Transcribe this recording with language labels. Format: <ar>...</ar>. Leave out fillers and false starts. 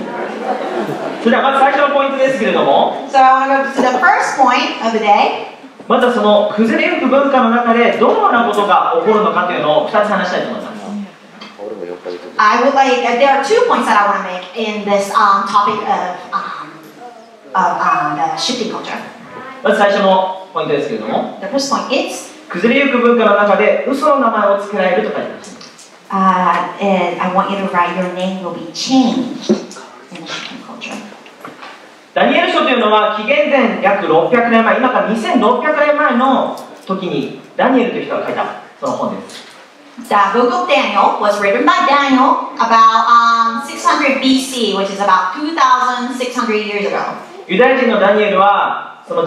<ja>それではまず最初のポイントですけれども。</ja> <en>So I want to go to the first point of the day.</en> <ja>まずその崩れゆく文化の中でどのようなことが起こるのかというのを2つ話したいと思います。</ja> <en>I would like, there are two points that I want to make in this topic of, the shifting culture.</en> <ja>まず最初のポイントですけれども。</ja> <en>The first point is,</en> <ja>崩れゆく文化の中で嘘の名前を付けられると書いてます。</ja> <en>And I want you to write your name will be changed in the shifting culture.</en> <ja>ダニエル書というのは紀元前約600年前、今から2600年前の時にダニエルという人が書いたその本です。</ja> <en>The book of Daniel was written by Daniel about 600 BC, which is about 2,600 years ago.</en> <ja>ユダヤ人のダニエルは</ja>